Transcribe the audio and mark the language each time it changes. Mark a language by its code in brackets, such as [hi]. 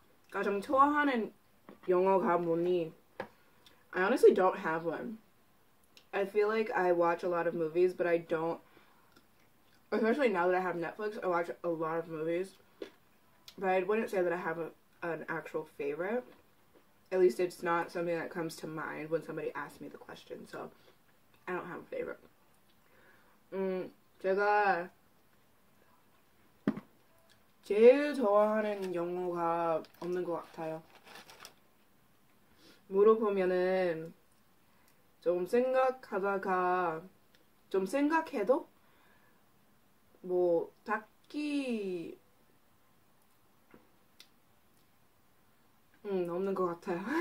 [ko] 가장 좋아하는 영화가 뭐니? [en] I honestly don't have one. I feel like I watch a lot of movies, but I don't. Especially now that I have Netflix, I watch a lot of movies. But I wouldn't say that I have an actual favorite. At least it's not something that comes to mind when somebody asks me the question. So, I don't have a favorite. [ko] 제가 제일 좋아하는 영화가 없는 것 같아요. 물어보면은 좀 생각하다가 좀 생각해도 뭐 딱히 없는 것 같아요.